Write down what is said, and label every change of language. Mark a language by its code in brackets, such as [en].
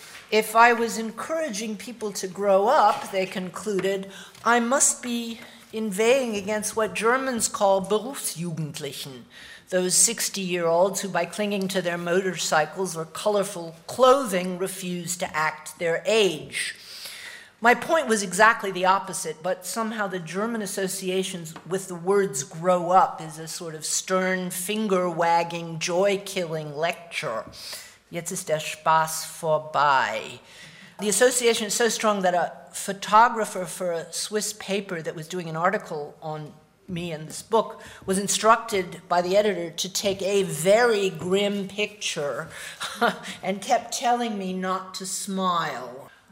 [en] If I was encouraging people to grow up, they concluded, I must be inveighing against what Germans call Berufsjugendlichen, those 60-year-olds who, by clinging to their motorcycles or colorful clothing, refuse to act their age. My point was exactly the opposite, but somehow the German associations with the words grow up is a sort of stern, finger-wagging, joy-killing lecture. [de] Jetzt ist der Spaß vorbei. [en] The association is so strong that a photographer for a Swiss paper that was doing an article on me and this book was instructed by the editor to take a very grim picture and kept telling me not to smile.